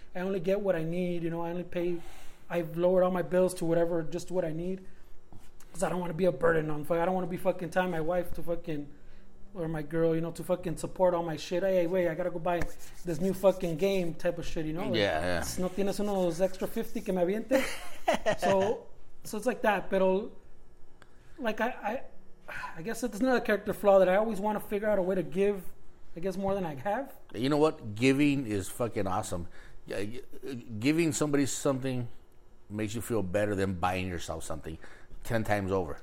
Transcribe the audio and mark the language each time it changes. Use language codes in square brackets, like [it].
[en] I only get what I need, you know. I've lowered all my bills to whatever, just what I need, because I don't want to be a burden on. I don't want to be fucking telling my wife to fucking, or my girl, you know, to fucking support all my shit. Hey, wait, I gotta go buy this new fucking game type of shit, you know? Like, yeah, yeah. [es] No tienes uno de los extra 50 que me aviente. [en] So it's like that. But like I guess it's another character flaw that I always want to figure out a way to give. I guess more than I have. You know what? Giving is fucking awesome. Yeah, giving somebody something makes you feel better than buying yourself something 10 times over.